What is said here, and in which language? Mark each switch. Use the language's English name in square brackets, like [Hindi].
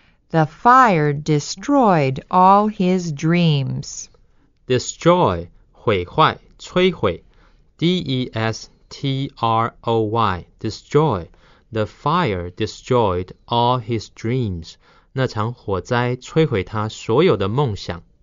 [English] The fire destroyed all his dreams. [Chinese] Destroy, 毁坏，摧毁。 [English] D-E-S-T-R-O-Y, destroy. The fire destroyed all his dreams. [Chinese] 那场火灾摧毁他所有的梦想。